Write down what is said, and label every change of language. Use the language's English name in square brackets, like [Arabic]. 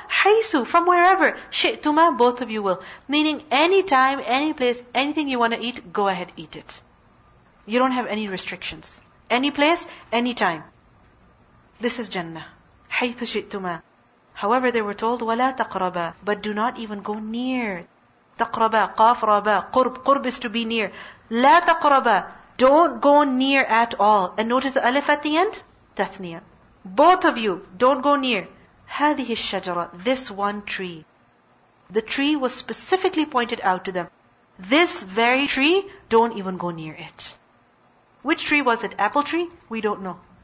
[English] Haythu, from wherever. Shi'tuma, both of you will. Meaning any time, any place, anything you want to eat, go ahead, eat it. You don't have any restrictions. Any place, any time. This is Jannah. [Arabic] حَيْثُ شِئْتُمَا. [English] However, they were told, [Arabic] وَلَا تَقْرَبَا, [English] but do not even go near. [Arabic] تَقْرَبَا, قَافْ رَبَا, قُرْب, قُرْب is to be near. لَا تَقْرَبَا, [English] don't go near at all. And notice the alif at the end? تَثْنِيَة. Both of you, don't go near. [Arabic] هَذِهِ الشَّجَرَة, [English] this one tree. The tree was specifically pointed out to them. This very tree, don't even go near it. Which tree was it? Apple tree? We don't know.